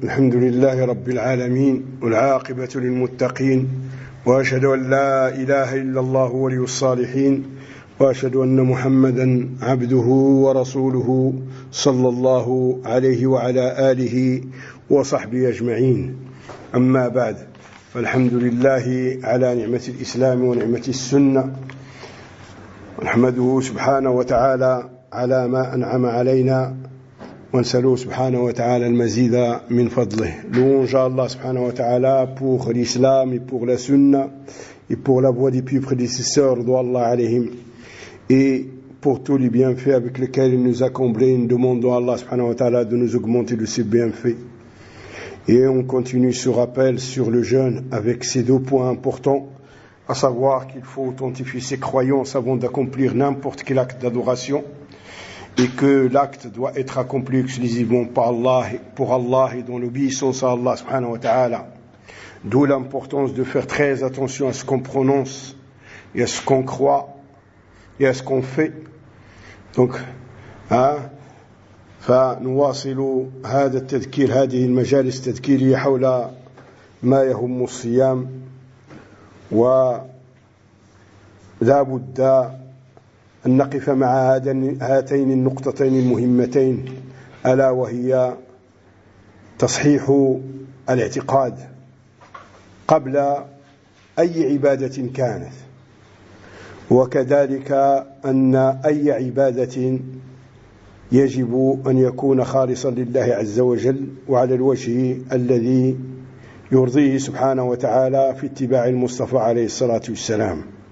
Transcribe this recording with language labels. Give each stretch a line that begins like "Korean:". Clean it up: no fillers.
Arabic: الحمد لله رب العالمين والعاقبة للمتقين، وأشهد أن لا إله إلا الله ولي الصالحين، وأشهد أن محمدا عبده ورسوله صلى الله عليه وعلى آله وصحبه أجمعين. أما بعد، فالحمد لله على نعمة الإسلام ونعمة السنة، ونحمده سبحانه وتعالى على ما أنعم علينا، ونسألوه سبحانه وتعالى المزيد من فضله. لون جاء الله سبحانه وتعالى
French: pour l'islam et pour la sunna et pour la voie des plus prédécesseurs de Allah عليهم et pour tous les bienfaits avec lesquels il nous a comblés. Nous demandons à Allah
Arabic: سبحانه وتعالى
French: de nous augmenter de ces bienfaits. Et on continue ce rappel sur le jeûne avec ces deux points importants, à savoir qu'il faut authentifier ses croyances avant d'accomplir n'importe quel acte d'adoration, et que l'acte doit être accompli exclusivement par Allah, pour Allah et dans l'obéissance à Allah
Arabic: subhanahu wa ta'ala.
French: D'où l'importance de faire très attention à ce qu'on prononce, et à ce qu'on croit, et à ce qu'on fait. Donc,
Arabic: فنواصل هذا التذكير هذه المجالس التذكيرية حول ما يهم الصيام، ولا بد أن نقف مع هاتين النقطتين المهمتين، ألا وهي تصحيح الاعتقاد قبل أي عبادة كانت، وكذلك أن أي عبادة يجب أن يكون خالصا لله عز وجل وعلى الوجه الذي يرضيه سبحانه وتعالى في اتباع المصطفى عليه الصلاة والسلام.